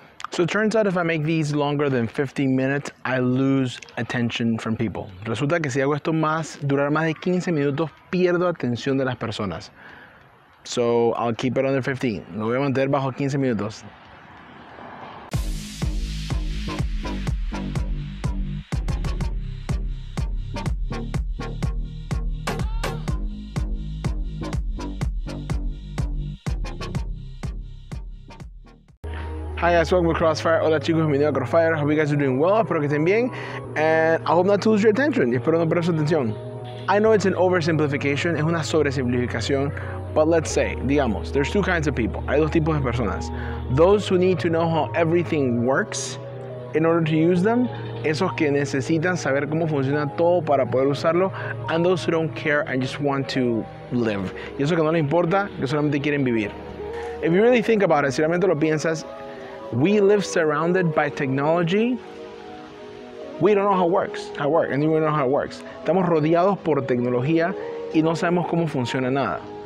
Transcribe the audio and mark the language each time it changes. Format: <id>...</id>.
<en>So it turns out if I make these longer than 15 minutes, I lose attention from people.</en> <es>Resulta que si hago esto más, durar más de 15 minutos, pierdo atención de las personas.</es> <en>So I'll keep it under 15.</en> <es>Lo voy a mantener bajo 15 minutos.</es> <en>Hi guys, welcome to Crossfire.</en> <es>Hola chicos, bienvenidos a Crossfire.</es> <en>Hope you guys are doing well.</en> <es>Espero que estén bien.</es> <en>And I hope not to lose your attention.</en> <es>Espero no perder su atención.</es> <en>I know it's an oversimplification.</en> <es>Es una sobresimplificación.</es> <en>But let's say,</en> <es>digamos,</es> <en>there's two kinds of people.</en> <es>Hay dos tipos de personas.</es> <en>Those who need to know how everything works in order to use them.</en> <es>Esos que necesitan saber cómo funciona todo para poder usarlo.</es> <en>And those who don't care and just want to live.</en> <es>Y eso que no les importa, que solamente quieren vivir.</es> <en>If you really think about it,</en> <es>si realmente lo piensas,</es> <en>we live surrounded by technology. We don't know how it works. And we don't know how it works.</en> <es>Estamos rodeados por tecnología y no sabemos cómo funciona nada.</es>